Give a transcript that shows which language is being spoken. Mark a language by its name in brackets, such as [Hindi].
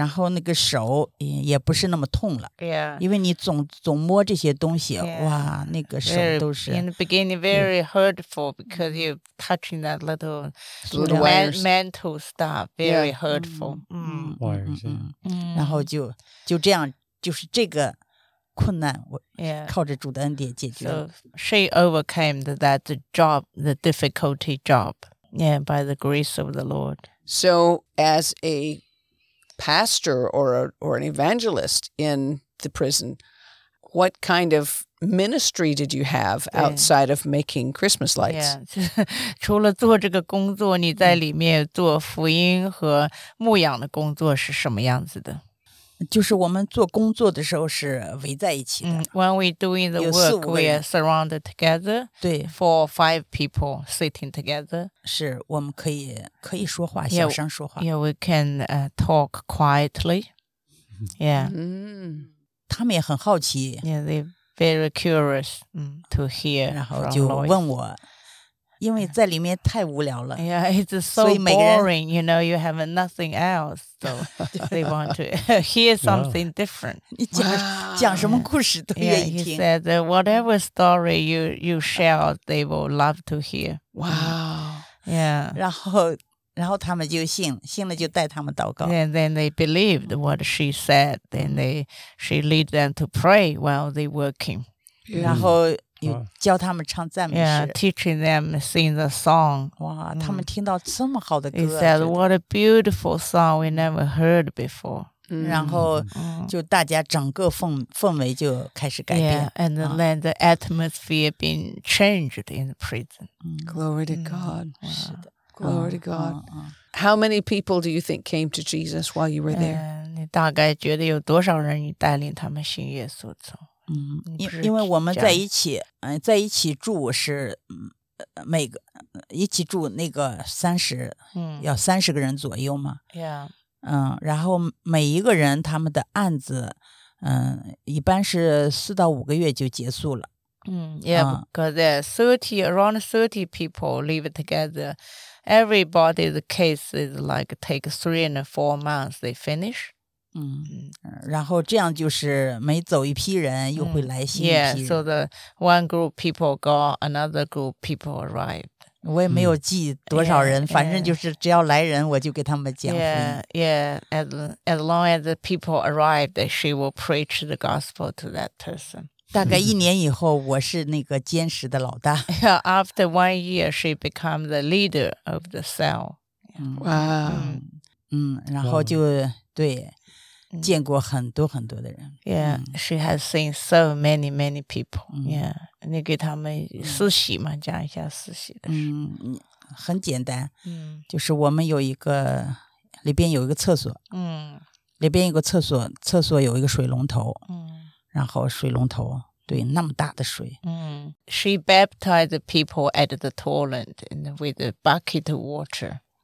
[Chinese] 是是是，很奇妙。对，然后那个手也不是那么痛了。 [English] Yeah. [Chinese] 因为你总摸这些东西，哇，那个手都是。 [English] In the beginning, very hurtful because you're touching that little mental stuff. Very hurtful. Wires. [Chinese] 然后就这样，就是这个。困难，我靠着主的恩典解决。 [English] So she overcame that job, the difficulty job, yeah, by the grace of the Lord. So as a pastor or an evangelist in the prison, what kind of ministry did you have outside of making Christmas lights? [Chinese] Yeah, 除了做这个工作，你在里面做福音和牧养的工作是什么样子的？就是我们做工作的时候是围在一起的。 [English] When we're doing the work, we are surrounded together. [Chinese] 对。 [English] Four or five people sitting together. [Chinese] 是,我们可以说话,小声说话。 [English] Yeah, we can talk quietly. Yeah. [Chinese] 他们也很好奇。 [English] Yeah, they're very curious to hear from [Chinese] Lloyd. 然后就问我。因为在里面太无聊了。 [English] Yeah, it's so boring. You know, you have nothing else. So they want to hear something different. [Chinese] 你讲什么故事都愿意听。 [English] Yeah, he said whatever story you share, they will love to hear. Wow. Yeah. [Chinese] 然后他们就信了，就带他们祷告。 [English] And then they believed what she said. Then she lead them to pray while they're working. [Chinese] 然后。You 教他们唱赞美诗 [English] Yeah, teaching them sing the song. [Chinese] 哇、wow, 他们听到这么好的歌 [English] He said, what a beautiful song we never heard before. [Chinese] 然后就大家整个氛围就开始改变 [English] Yeah, and then、嗯、the atmosphere being changed in the prison. Glory to God.、 [Chinese] 嗯、是的 [English] Glory to God.、嗯、How many people do you think came to Jesus while you were there?、 [Chinese] 你大概觉得有多少人你带领他们信耶稣走、嗯、因为我们在一起、在一起住是每个一起住那个三十、嗯、要三十个人左右嘛 [English] Yeah. [Chinese] 嗯，然后每一个人他们的案子，嗯，一般是四到五个月就结束了。 [English] 嗯 ，Yeah, because around 30 people live together. Everybody's case is like take 3 and 4 months they finish. [Chinese] 嗯，然后这样就是每走一批人又会来新一批人。 [English] Yeah, so the one group people go, another group people arrive. [Chinese] 我也没有记多少人、反正就是只要来人我就给他们讲福音 [English] yeah, yeah, as long as the people arrive, she will preach the gospel to that person. [Chinese] 大概一年以后我是那个监时的老大。 [English] Yeah, after 1 year, she became the leader of the cell. Wow. 嗯 [Chinese] 然后就对见过很多很多的人。 [English] Yeah,、she has seen so many, many people.、Yeah. [Chinese] 你给他们实习嘛、讲一下实习的事。嗯，很简单。嗯，就是我们有一个里边有一个厕所。嗯，里边有个厕所，厕所有一个水龙头。嗯，然后水龙头对那么大的水。 [English] 嗯 ，She baptized people at the toilet and with a bucket of water.